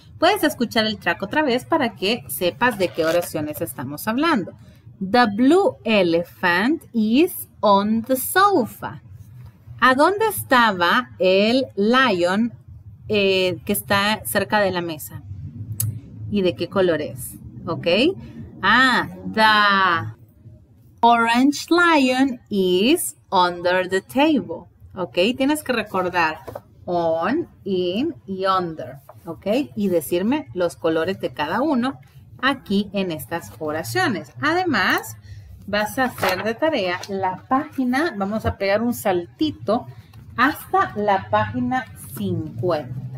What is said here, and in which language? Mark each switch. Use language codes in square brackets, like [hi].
[es] Puedes escuchar el track otra vez para que sepas de qué oraciones estamos hablando. [en] The blue elephant is on the sofa. [es] ¿A dónde estaba el lion que está cerca de la mesa? ¿Y de qué color es? ¿Ok? [en] Ah, the orange lion is under the table. [es] ¿Ok? Tienes que recordar on, in y under. ¿Ok? Y decirme los colores de cada uno aquí en estas oraciones. Además, vas a hacer de tarea la página, vamos a pegar un saltito hasta la página 50.